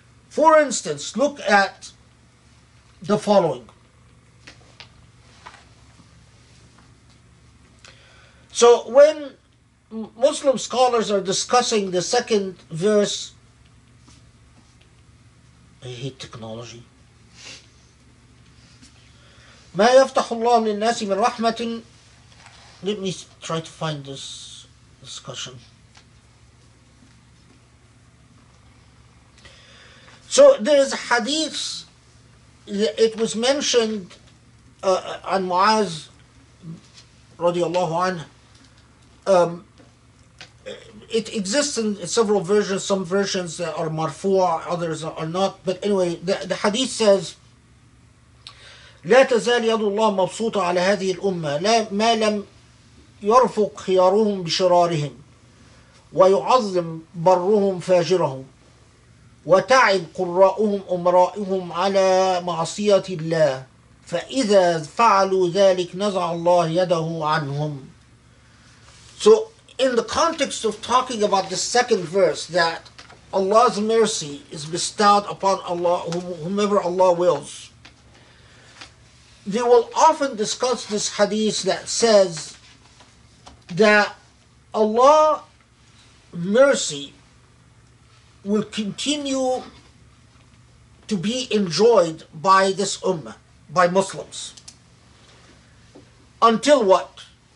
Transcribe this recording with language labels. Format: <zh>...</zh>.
<en>For instance, look at the following. So when Muslim scholars are discussing the second verse, I hate technology.</en> <ar>ما يفتح الله للناس من رحمة.</ar> <en>Let me try to find this discussion. So there is a hadith that it was mentioned on Muaz radiallahu anhu. It exists in several versions. Some versions are marfu', others are not. But anyway, the hadith says,</en> <ar>لا تزال يد الله مبسوطة على هذه الأمة ما لم يرفق خيارهم بشرارهم ويعظم برهم فاجرهم وتعب قراؤهم أمرائهم على معصية الله فإذا فعلوا ذلك نزع الله يده عنهم.</ar> <en>So in the context of talking about the second verse, that Allah's mercy is bestowed upon Allah, whomever Allah wills, they will often discuss this hadith that says that Allah's mercy will continue to be enjoyed by this ummah, by Muslims. Until what?</en>